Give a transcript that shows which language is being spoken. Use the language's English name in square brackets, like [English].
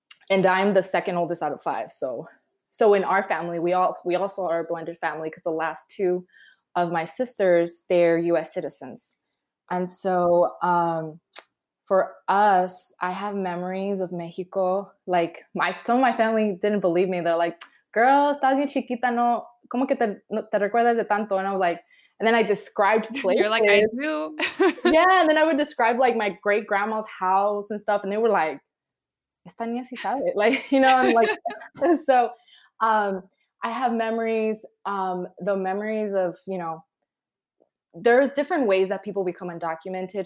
[English] And I'm the second oldest out of 5. So in our family, we also are a blended family because the last two of my sisters, they're U.S. citizens. And so for us, I have memories of Mexico. Like some of my family didn't believe me. They're like, girl, [Spanish] estás bien chiquita, no, ¿cómo que te recuerdas de tanto? [English] And I was like, and then I described places. You're like, I do. Yeah, and then I would describe like my great grandma's house and stuff. And they were like, [Spanish] esta niña sí sabe. [English] Like, you know, and like, so I have memories, the memories of, you know, there's different ways that people become undocumented.